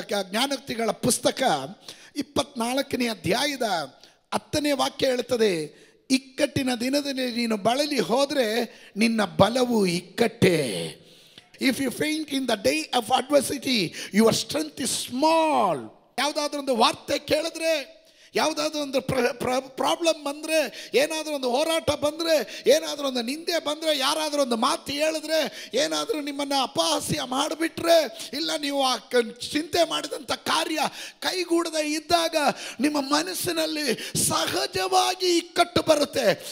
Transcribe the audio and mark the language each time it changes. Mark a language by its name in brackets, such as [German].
[Kannada] ಜ್ಞಾನೋಕ್ತಿಗಳ ಪುಸ್ತಕ 24:10 ಹೇಳ್ತದೆ, ಇಕ್ಕಟ್ಟಿನ ದಿನದಲ್ಲಿ ನೀನು ಬಳಲಿ ಹೋದರೆ ನಿನ್ನ ಬಲವು ಇಕ್ಕಟ್ಟೇ. [English] If you faint in the day of adversity, your strength is small. [Kannada] ಯಾವುದಾದ್ರೂ ಒಂದು ವಾರ್ತೆ ಕೇಳಿದ್ರೆ, ಯಾವುದಾದ್ರೂ ಒಂದು ಪ್ರಾಬ್ಲಮ್ ಬಂದರೆ, ಏನಾದರೂ ಒಂದು ಹೋರಾಟ ಬಂದರೆ, ಏನಾದರೂ ಒಂದು ನಿಂದೆ ಬಂದರೆ, ಯಾರಾದರೂ ಒಂದು ಮಾತು ಹೇಳಿದ್ರೆ, ಏನಾದರೂ ನಿಮ್ಮನ್ನು ಅಪಹಾಸ್ಯ ಮಾಡಿಬಿಟ್ರೆ, ಇಲ್ಲ ನೀವು ಆ ಚಿಂತೆ ಮಾಡಿದಂಥ ಕಾರ್ಯ ಕೈಗೂಡದೆ ಇದ್ದಾಗ ನಿಮ್ಮ ಮನಸ್ಸಿನಲ್ಲಿ ಸಹಜವಾಗಿ ಇಕ್ಕಟ್ಟು ಬರುತ್ತೆ.